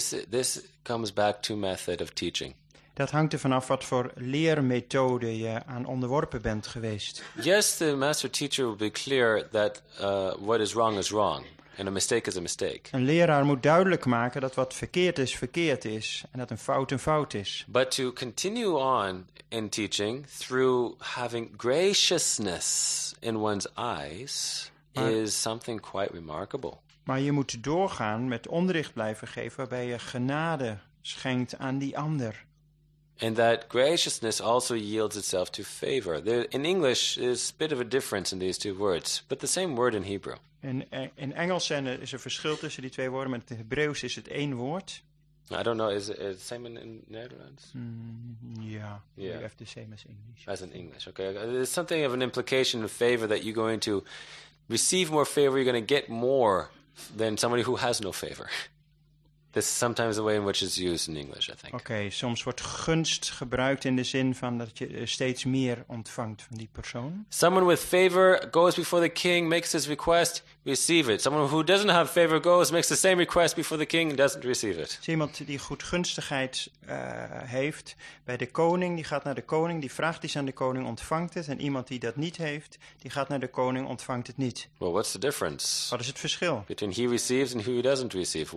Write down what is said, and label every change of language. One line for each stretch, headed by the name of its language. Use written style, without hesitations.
English: This comes back to method of teaching.
Dutch: Dat hangt er vanaf wat voor leermethode je aan onderworpen bent geweest.
English: Yes, the master teacher will be clear that what is wrong and a mistake is a mistake.
Dutch: Een leraar moet duidelijk maken dat wat verkeerd is en dat een fout is.
English: But to continue on in teaching through having graciousness in one's eyes is something quite remarkable.
Dutch: Maar je moet doorgaan met onderricht blijven geven waarbij je genade schenkt aan die ander.
English: And that graciousness also yields itself to favor. There, in English, is a bit of a difference in these two words, but the same word in Hebrew.
Dutch: In Engels is er verschil tussen die twee woorden, maar in het Hebreeuws is het één woord.
English: I don't know, is it the same in Netherlands? Yeah. You have the same as English. As in English, okay. There's something of an implication of favor that you're going to receive more favor, you're going to get more than somebody who has no favor. This is sometimes the way in which it's used in English, I think.
Dutch: Okay, soms wordt gunst gebruikt in de zin van dat je steeds meer ontvangt van die persoon.
English: Someone with favor goes before the king, makes his request, receive it. Someone who doesn't have favor goes, makes the same request before the king, doesn't receive it.
Dutch: Als iemand die goedgunstigheid heeft bij de koning, die gaat naar de koning, die vraagt iets aan de koning, ontvangt het. En iemand die dat niet heeft, die gaat naar de koning, ontvangt het niet.
English: Well, what's the difference?
Dutch: Wat is het verschil?
English: Between he receives and he doesn't receive.